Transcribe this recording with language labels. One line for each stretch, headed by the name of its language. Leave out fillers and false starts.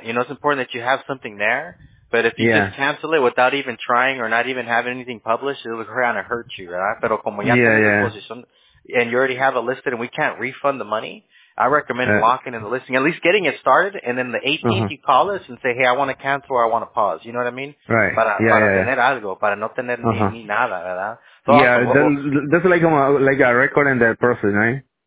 English: It's important that you have something there, but if you just cancel it without even trying or not even having anything published, it'll kind of hurt you,
Spanish: ¿verdad? Pero como ya tienes la posición
English: and you already have it listed and we can't refund the money, I recommend locking in the listing, at least getting it started, and then the 18th you call us and say, hey, I want to cancel or I want to pause. You know what I mean?
Spanish: Para tener algo, para no tener ni nada, ¿verdad?
English: So awesome. That's like a record in that process, right?